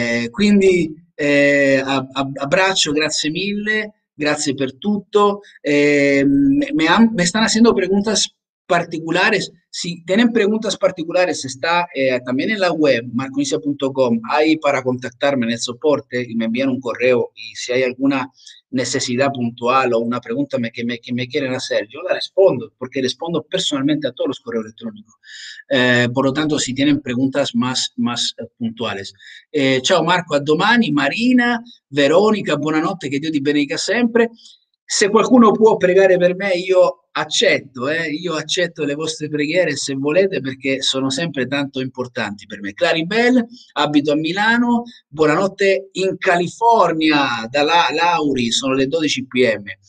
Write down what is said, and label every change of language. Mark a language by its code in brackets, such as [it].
[it] Quindi, abbraccio, grazie mille, grazie per tutto. [es] Me están haciendo preguntas particulares. Si tienen preguntas particulares, está también en la web marconicia.com, ahí para contactarme en el soporte y me envían un correo y si hay alguna necesidad puntual o una pregunta que me quieren hacer, yo la respondo, porque respondo personalmente a todos los correos electrónicos. Por lo tanto, si tienen preguntas más puntuales. [it] Ciao Marco, a domani. Marina, Veronica, buonanotte, che Dio ti benedica sempre. Se qualcuno può pregare per me, io accetto le vostre preghiere se volete, perché sono sempre tanto importanti per me. Claribel, abito a Milano, buonanotte in California, da Lauri, sono le 12 p.m.